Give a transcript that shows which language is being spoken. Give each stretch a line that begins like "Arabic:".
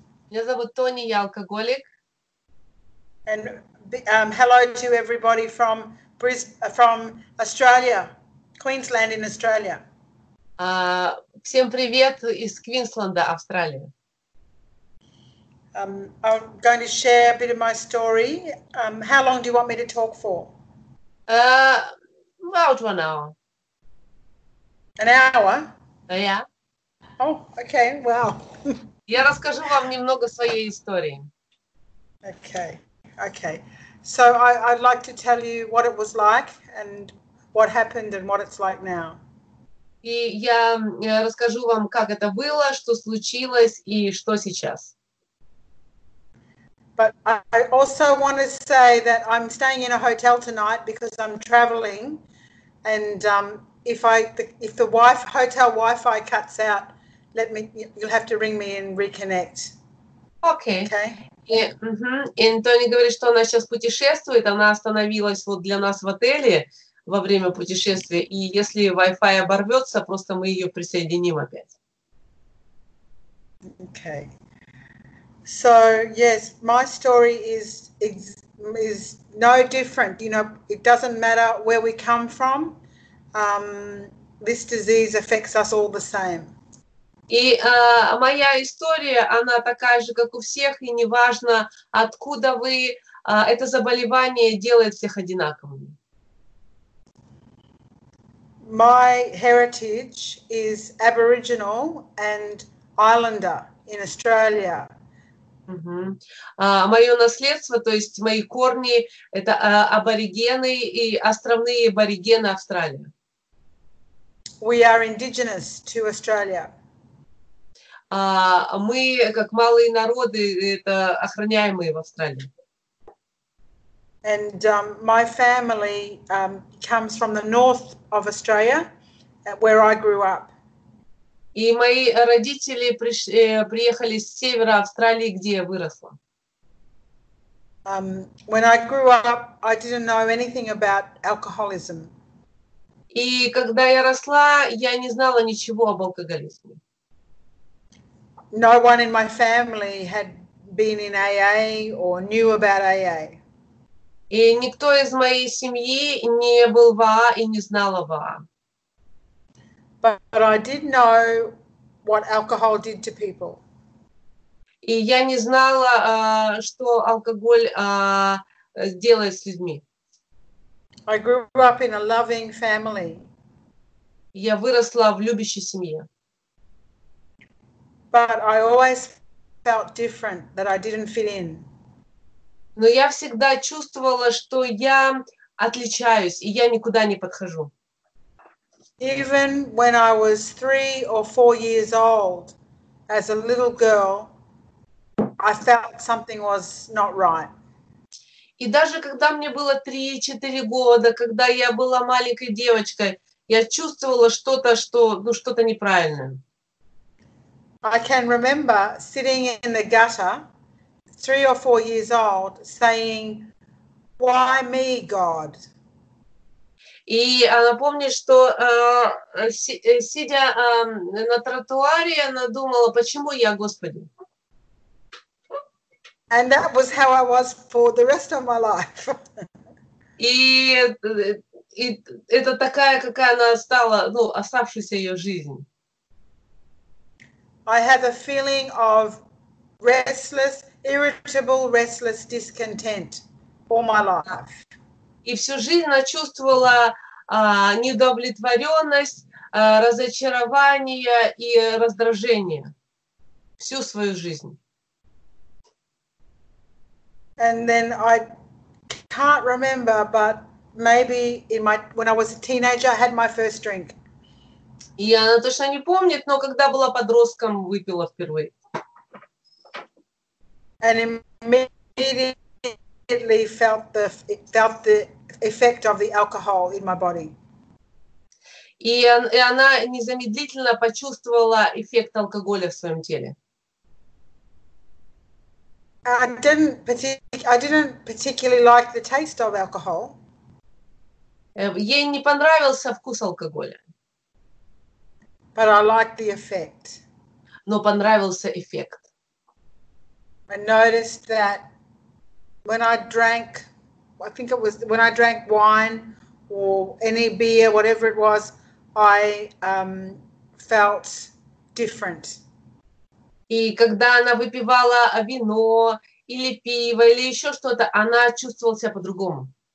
Russian: Меня зовут Тони, я алкоголик.
English: And hello to everybody from Australia, Queensland in Australia.
Russian: Всем привет из Квинсленда, Австралия.
English: I'm going to share a bit of my story. How long do you want me to talk for? About 1 hour. An hour? Yeah. Oh, okay, well.
Russian: Я расскажу вам немного своей истории.
English: Okay. So I'd like to tell you what it was like and what happened and what it's like now.
Russian: И я расскажу вам, как это было, что случилось и что сейчас.
English: But I also want to say that I'm staying in a hotel tonight because I'm traveling, and if the hotel Wi-Fi cuts out, you'll have to ring me and reconnect.
Russian: Окей.
English: Okay?
Russian: И Тони говорит, что она сейчас путешествует, она остановилась вот для нас в отеле во время путешествия, и если Wi-Fi оборвется, просто мы ее присоединим опять.
English: Okay. So, yes, my story is no different. It doesn't matter where we come from. This disease affects us all the same.
Russian: И моя история, она такая же, как у всех, и неважно, откуда вы, это заболевание делает всех одинаковыми.
English: My heritage is Aboriginal and Islander in Australia.
Russian: Мое наследство, то есть мои корни, это аборигены и островные аборигены Австралии.
English: We are indigenous to Australia.
Russian: Мы, как малые народы, это охраняемые в Австралии.
English: And my family comes from the north of Australia, where I grew up.
Russian: И мои родители приехали с севера Австралии, где я выросла.
English: When I grew up, I didn't know anything about alcoholism.
Russian: И когда я росла, я не знала ничего об алкоголизме.
English: No one in my family had been in AA or knew about AA.
Russian: И никто из моей семьи не был в АА и не знал об АА.
English: But I did know what alcohol did to people.
Russian: И я не знала, что алкоголь делает с людьми.
English: I grew up in a loving family.
Russian: Я выросла в любящей семье.
English: But I always felt different, that I didn't fit in.
Russian: Но я всегда чувствовала, что я отличаюсь, и я никуда не подхожу.
English: Even when I was 3 or 4 years old, as a little girl, I felt something was not right.
Russian: И даже когда мне было 3-4 года, когда я была маленькой девочкой, я чувствовала что-то, что-то неправильное.
English: I can remember sitting in the gutter, 3 or 4 years old, saying, "Why me, God?"
Russian: И она помнит, что сидя на тротуаре, она думала, почему я, Господи?
English: And that was how I was for the rest of my life.
Russian: И это такая, какая она стала, ну, оставшуюся ее жизнь.
English: I have a feeling of restless, irritable, restless discontent all my life.
Russian: И всю жизнь она чувствовала неудовлетворенность, разочарование и раздражение всю свою жизнь.
English: And then I can't remember, but maybe in my when I was a teenager, I had my first drink.
Russian: И она точно не помнит, но когда была подростком, выпила впервые.
English: And immediately felt the effect of the alcohol in my body.
Russian: И она незамедлительно почувствовала эффект алкоголя в своем теле.
English: I didn't particularly like the taste of alcohol.
Russian: Ей не понравился вкус алкоголя.
English: But I liked the effect.
Russian: Но понравился эффект.
English: I noticed that when I drank, I think it was when I drank wine or any beer, whatever it was, I felt different.
Russian: И когда она выпивала вино или пиво или еще что-то, она чувствовала себя по-другому.